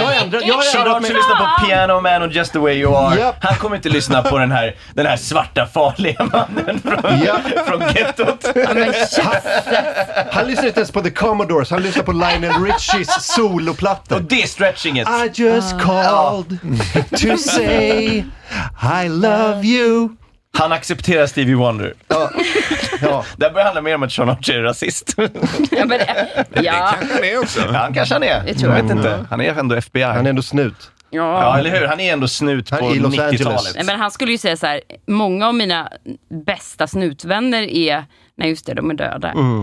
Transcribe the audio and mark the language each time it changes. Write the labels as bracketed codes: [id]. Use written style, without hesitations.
[sv] Jag har lyssnat på Piano Man och Just the Way You Are. Yep. Han kommer inte lyssna på den här svarta farliga mannen från gettot. Han lyssnar inte ens på The Commodores. Han lyssnar på Lionel Richies soloplatta. Och det är [en] stretching it. I just called to say I love you. [sv] Han accepterar Stevie Wonder. Det börjar handla mer om att Sean Archer är rasist. Han kanske är också. Han är ändå FBI. Han är ändå snut. Ja, eller hur? Han är ändå snut på 90-talet. Nej, men han skulle ju säga så här: många av mina bästa snutvänner är, nej just det, de är döda.